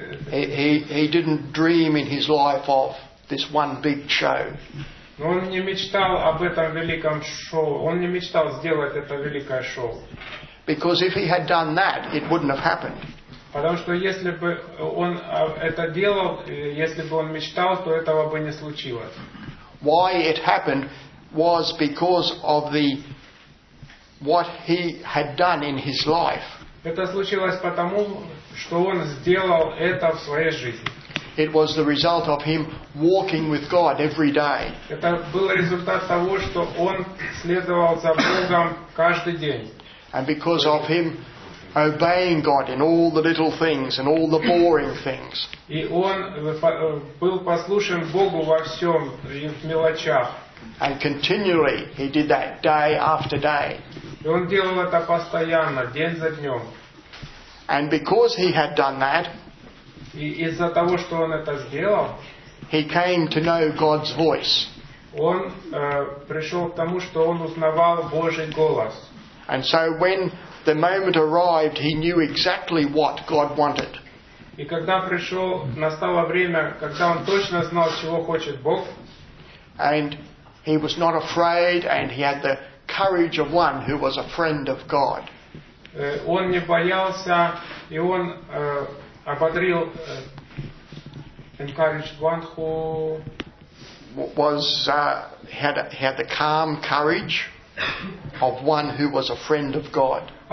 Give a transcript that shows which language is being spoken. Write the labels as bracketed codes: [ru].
[en] He didn't dream in his life of this one big show. [ru] Но он не мечтал об этом великом шоу. Он не мечтал сделать это великое шоу. [en] Because if he had done that, it wouldn't have happened. [ru] Потому что если бы он это делал, если бы он мечтал, то этого бы не случилось. [en] Why it happened was because of the what he had done in his life. [ru] Это случилось потому, что он сделал это в своей жизни. [en] It was the result of him walking with God every day. [ru] Это был результат того, что он следовал за Богом каждый день. [en] And because of him obeying God in all the little things and all the boring things. [ru] И он был послушен Богу во всём, и в мелочах. [en] And continually he did that day after day. [ru] И он делал это постоянно, день за днём. [en] And because he had done that, [ru] и из-за того, что он это сделал, [en] he came to know God's voice. [ru] Он пришёл к тому, что он узнавал Божий голос. [en] And so when the moment arrived, he knew exactly what God wanted. [ru] И когда пришёл, настало время, когда он точно знал, чего хочет Бог. [en] And he was not afraid, and he had the courage of one who was a friend of God. [ru] Он не боялся, и он ободрил, [en] encouraged one who was had the calm courage of one who was a friend of God.